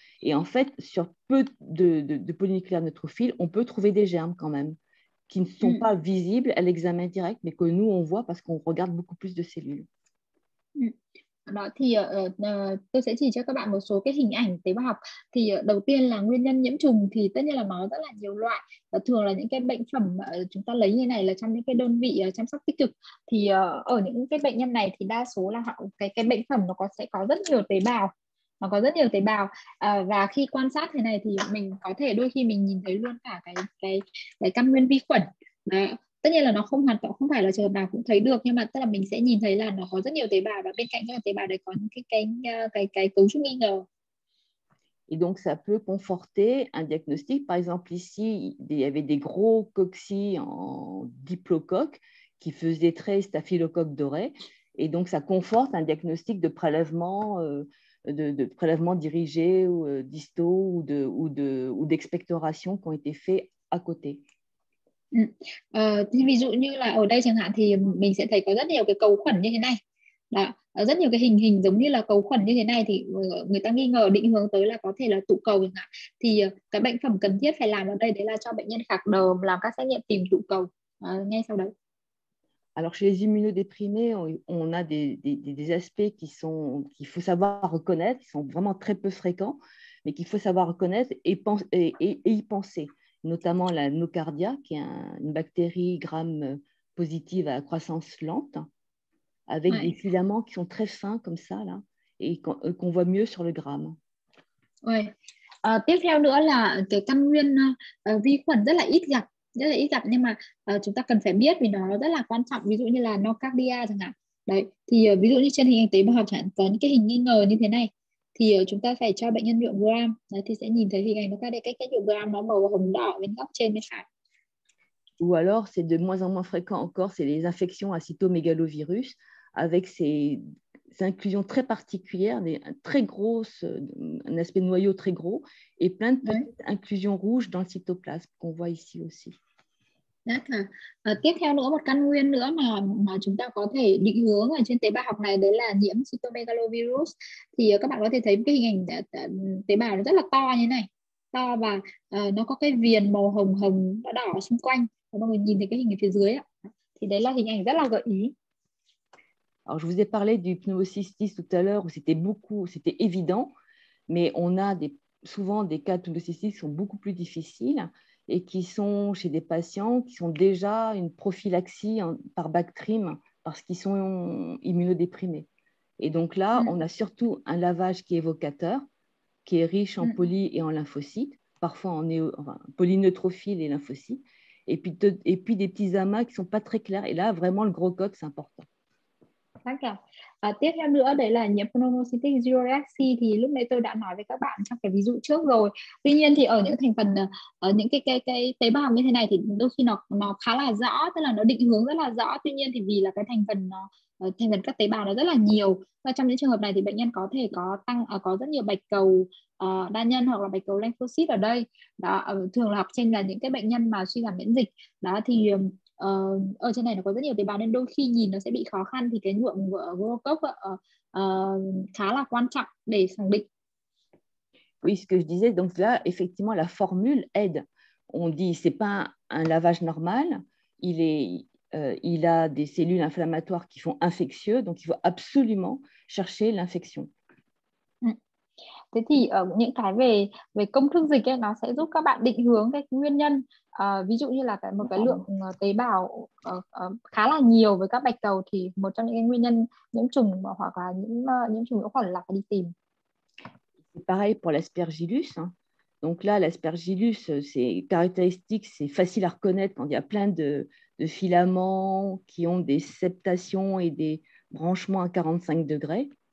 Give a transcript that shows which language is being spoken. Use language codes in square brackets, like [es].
[fr] Et en fait, sur peu de polynucléaires neutrophiles, on peut trouver des germes quand même, qui ne sont pas visibles à l'examen direct, mais que nous, on voit parce qu'on regarde beaucoup plus de cellules. [vi] Đó, thì tôi sẽ chỉ cho các bạn một số cái hình ảnh tế bào học. Thì đầu tiên là nguyên nhân nhiễm trùng, thì tất nhiên là nó rất là nhiều loại. Và thường là những cái bệnh phẩm chúng ta lấy như này là trong những cái đơn vị chăm sóc tích cực. Thì ở những cái bệnh nhân này thì đa số là cái bệnh phẩm nó sẽ có rất nhiều tế bào. Nó có rất nhiều tế bào. Và khi quan sát thế này thì mình có thể đôi khi mình nhìn thấy luôn cả cái căn nguyên vi khuẩn. Đó. Tất nhiên là nó không hoàn toàn không phải là trường hợp nào cũng thấy được, nhưng mà tức là mình sẽ nhìn thấy là nó có rất nhiều tế bào và bên cạnh các tế bào đấy có những cái cấu trúc nghi ngờ. [fr] Et donc ça peut conforter un diagnostic. Par exemple ici, il y avait des gros coccis en diplocoque qui faisaient très staphylocoque doré, et donc ça conforte un diagnostic de prélèvement de prélèvement dirigé ou disto ou d'expectoration qui ont été faits à côté. [vi] Ví dụ như là ở đây chẳng hạn thì mình sẽ thấy có rất nhiều cái cấu khuẩn như thế này. Đó, rất nhiều cái hình giống như là cấu khuẩn như thế này thì người ta nghi ngờ định hướng tới là có thể là tụ cầu chẳng hạn. Thì cái bệnh phẩm cần thiết phải làm ở đây đấy là cho bệnh nhân khạc đờm làm các xét nghiệm tìm tụ cầu ngay sau đấy. [fr] Alors chez les immunodéprimés, on a des aspects qu'il faut savoir reconnaître, qui sont vraiment très peu fréquents, mais qu'il faut savoir reconnaître et y penser. Notamment la nocardia, qui est une bactérie gram positive à croissance lente, avec des filaments qui sont très fins comme ça là, et qu'on voit mieux sur le gramme. Oui. [vi] Tiếp theo nữa là cái căn nguyên vi khuẩn rất là ít gặp, nhưng mà chúng ta cần phải biết vì nó rất là quan trọng. Ví dụ như là nocardia chẳng hạn. Đấy. Thì ví dụ như trên hình ảnh tế bào học chẳng có những cái hình nghi ngờ như thế này. Thì chúng ta phải cho bệnh nhân nhuộm gram. Đấy, thì sẽ nhìn thấy hình ảnh nó ra đây, cái nhuộm gram nó màu hồng đỏ bên góc trên bên phải. [fr] Ou alors, c'est de moins en moins fréquent encore, c'est les infections à cytomégalovirus avec ces inclusions très particulières, des très grosses, un aspect noyau très gros et plein de petites inclusions rouges dans le cytoplasme qu'on voit ici aussi. [vi] Tiếp theo nữa, một căn nguyên nữa mà chúng ta có thể định hướng ở trên tế bào học này đấy là nhiễm cytomegalovirus. Thì các bạn có thể thấy cái hình ảnh tế bào nó rất là to như này, to và nó có cái viền màu hồng hồng đỏ đỏ xung quanh. Và mọi người nhìn thấy cái hình ở phía dưới thì đấy là hình ảnh rất là gợi ý. [fr] Alors, je vous ai parlé du pneumocystis tout à l'heure où c'était beaucoup, c'était évident, mais on a souvent des cas de pneumocystis qui sont beaucoup plus difficiles. Et qui sont chez des patients qui sont déjà une prophylaxie par Bactrim parce qu'ils sont immunodéprimés. Et donc là, on a surtout un lavage qui est évocateur, qui est riche en poly et en lymphocytes, parfois en polyneutrophiles et lymphocytes, et puis des petits amas qui ne sont pas très clairs. Et là, vraiment, le gros coq, c'est important. [vi] Tiếp theo nữa đấy là nhiễm pneumocystis jureaxi, thì lúc nãy tôi đã nói với các bạn trong cái ví dụ trước rồi. Tuy nhiên thì ở những thành phần ở những cái tế bào như thế này thì đôi khi nó khá là rõ, tức là nó định hướng rất là rõ. Tuy nhiên thì vì là cái thành phần các tế bào nó rất là nhiều, và trong những trường hợp này thì bệnh nhân có thể có rất nhiều bạch cầu đa nhân hoặc là bạch cầu lymphocyte ở đây. Đó, thường là học trên là những cái bệnh nhân mà suy giảm miễn dịch. Đó thì ở trên này nó có rất nhiều tế bào nên đôi khi nhìn nó sẽ bị khó khăn, thì cái nhuộm glucocop khá là quan trọng để khẳng định. [fr] Oui, ce que je disais, donc là effectivement la formule aide on dit que ce n'est pas un lavage normal, il a des cellules inflammatoires qui font infectieux, donc il faut absolument chercher l'infection. [vi] Thế thì những cái về về công thức dịch ấy, nó sẽ giúp các bạn định hướng cái nguyên nhân, ví dụ như là cái, một cái lượng tế bào khá là nhiều với các bạch cầu thì một trong những nguyên nhân nhiễm trùng hoặc là nhiễm trùng nhiễm khuẩn là phải đi tìm. [fr] Pareil pour l'aspergillus. Hein. Donc là, l'aspergillus, c'est caractéristique, c'est facile à reconnaître quand il y a plein de filaments qui ont des septations et des branchements à 45 degrés.